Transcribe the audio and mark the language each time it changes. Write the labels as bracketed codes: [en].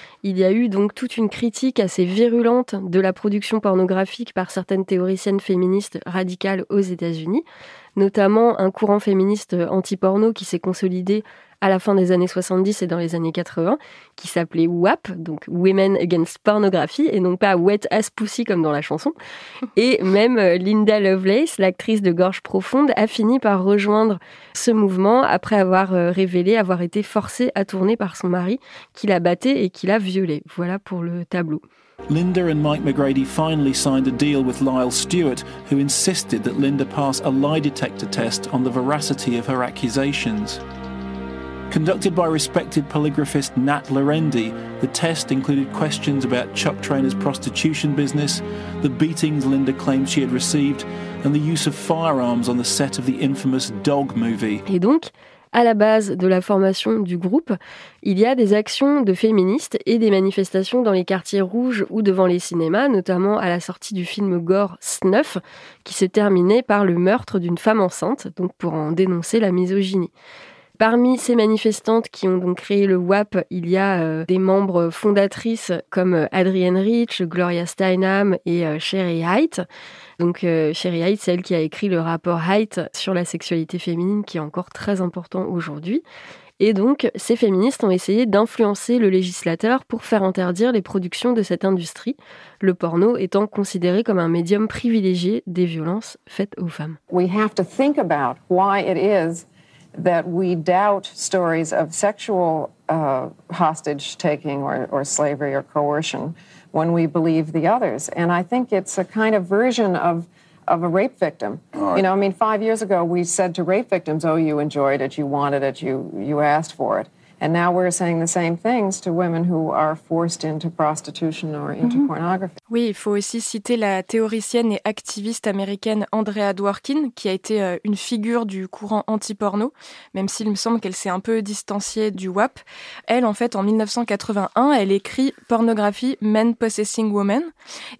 [fr] Il y a eu donc toute une critique assez virulente de la production pornographique par certaines théoriciennes féministes radicales aux États-Unis, notamment un courant féministe anti-porno qui s'est consolidé à la fin des années 70 et dans les années 80, qui s'appelait WAP, donc Women Against Pornography, et non pas Wet Ass Pussy comme dans la chanson. Et même Linda Lovelace, l'actrice de Gorge Profonde, a fini par rejoindre ce mouvement après avoir révélé avoir été forcée à tourner par son mari, qui l'a battée et qui l'a violée. Voilà pour le tableau. [en] Linda and Mike McGrady finally signed a deal with Lyle Stewart, who insisted that Linda pass a lie detector test on the veracity of her accusations. Conducted by respected polygraphist Nat Larendi, the test included questions about Chuck Traynor's prostitution business, the beatings Linda claimed she had received, and the use of firearms on the set of the infamous Dog movie. [fr] Et donc, à la base de la formation du groupe, il y a des actions de féministes et des manifestations dans les quartiers rouges ou devant les cinémas, notamment à la sortie du film gore Snuff, qui s'est terminé par le meurtre d'une femme enceinte, donc pour en dénoncer la misogynie. Parmi ces manifestantes qui ont donc créé le WAP, il y a des membres fondatrices comme Adrienne Rich, Gloria Steinem et Sherry Haidt. Donc Sherry Haidt, c'est elle qui a écrit le rapport Haidt sur la sexualité féminine qui est encore très important aujourd'hui. Et donc ces féministes ont essayé d'influencer le législateur pour faire interdire les productions de cette industrie, le porno étant considéré comme un médium privilégié des violences faites aux femmes. [en] We have to think about why it is that we doubt stories of sexual hostage taking or slavery or coercion when we believe the others. And I think it's a kind of version of a rape victim. Right. You know, I mean, 5 years ago we said to rape victims, oh, you enjoyed it, you wanted it, you asked for it. And now we're saying the same things to women who are forced into prostitution or into pornography. [fr] Oui, il faut aussi citer la théoricienne et activiste américaine Andrea Dworkin, qui a été une figure du courant anti-porno, même s'il me semble qu'elle s'est un peu distanciée du WAP. Elle, en fait, en 1981, elle écrit « Pornographie, [en] men possessing women ».